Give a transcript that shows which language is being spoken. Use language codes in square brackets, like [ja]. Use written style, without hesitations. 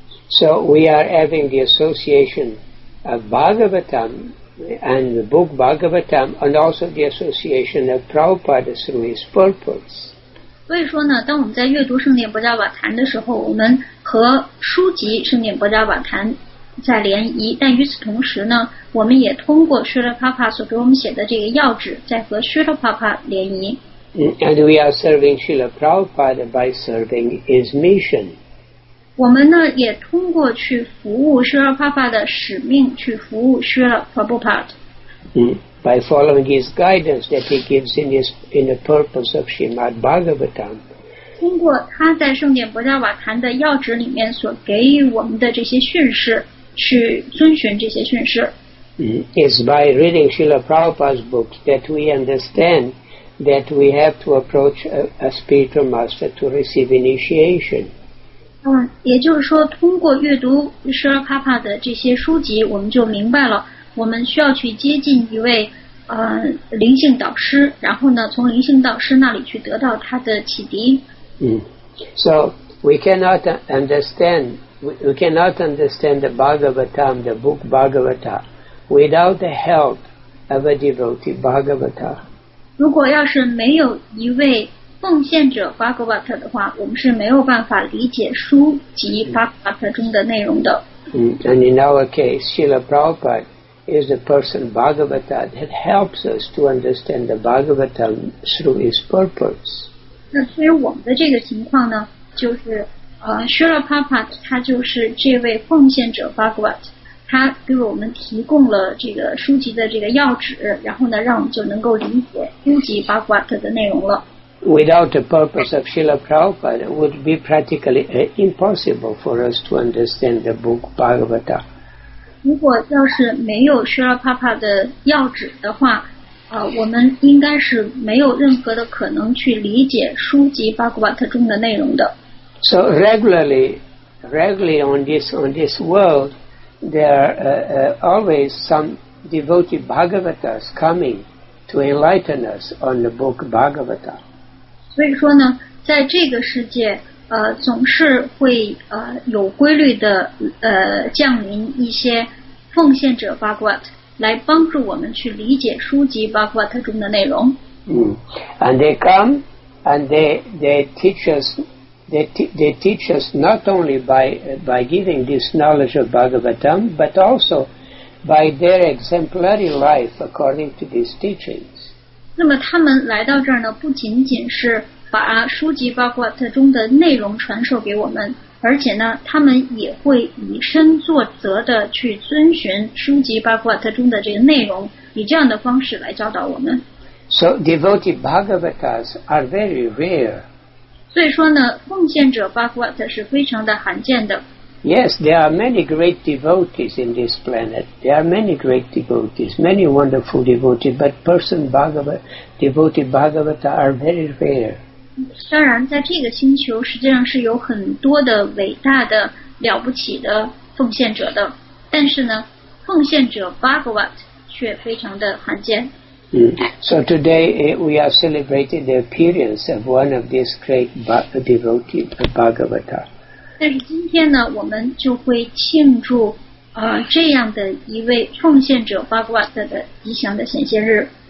[en] So we are having the association of Bhagavatam. And the book Bhagavatam, and also the association of Prabhupada through his purports. [zh] 所以说呢，当我们在阅读圣典博加瓦坛的时候，我们和书籍圣典博加瓦坛在联谊。但与此同时呢，我们也通过 Srila Prabhupada 所给我们写的这个要旨，在和 Srila Prabhupada 联谊。 [en] And we are serving Srila Prabhupada by serving his mission. [zh] 我们呢也通过去服务 Srila Prabhupada 的使命去服务 Srila Prabhupada。 [en] By following his guidance that he gives in the purpose of Srimad Bhagavatam。 [zh] 通过他在圣典博加瓦坛的要旨里面所给予我们的这些训示，去遵循这些训示。 [en] It's by reading Srila Prabhupada's books that we understand that we have to approach a spiritual master to receive initiation. [zh] 也就是说，通过阅读舍勒帕帕的这些书籍，我们就明白了，我们需要去接近一位灵性导师，然后呢，从灵性导师那里去得到他的启迪。 [en] 嗯 ，So we cannot understand the Bhagavatam, the book Bhagavata, without the help of a devotee Bhagavata. [zh] 如果要是没有一位奉献者巴格瓦特的话，我们是没有办法理解书籍巴格瓦特中的内容的。 [en] And in our case, Srila Prabhupada is the person Bhagavata that helps us to understand the Bhagavatam through his purpose. [zh] 那所以我们的这个情况呢，就是Srila Prabhupada 他就是这位奉献者巴格瓦特，他给我们提供了这个书籍的这个要旨，然后呢，让我们就能够理解书籍巴格瓦特的内容了。 [en] Without the purpose of Srila Prabhupada, it would be practically impossible for us to understand the book Bhagavata. [zh] 如果要是没有 Srila Prabhupada 的要旨的话，我们应该是没有任何的可能去理解书籍 Bhagavata 中的内容的。 [en] So regularly on this world, there are always some devoted Bhagavatas coming to enlighten us on the book Bhagavata. [zh] 所以说呢，在这个世界，总是会有规律的降临一些奉献者 Bhagavat 来帮助我们去理解书籍 Bhagavat 中的内容。 [en] And they come and they teach us not only by giving this knowledge of Bhagavatam, but also by their exemplary life according to these teachings. [zh] 那么他们来到这儿呢，不仅仅是把书籍巴格瓦特中的内容传授给我们，而且呢，他们也会以身作则的去遵循书籍巴格瓦特中的这个内容，以这样的方式来教导我们。 [en] So devoted Bhagavatas are very rare. [zh] 所以说呢，奉献者巴格瓦特是非常的罕见的。 [en] Yes, there are many great devotees in this planet. There are many great devotees, many wonderful devotees, but person devoted Bhagavata are very rare. [zh] 当然在这个星球实际上是有很多的伟大的了不起的奉献者的，但是呢，奉献者 Bhagavat 却非常的罕见。 [en] So today we are celebrating the appearance of one of these great devotees, Bhagavata. [zh] 但是今天呢，我们就会庆祝这样的一位奉献者巴格瓦特的吉祥的显现日。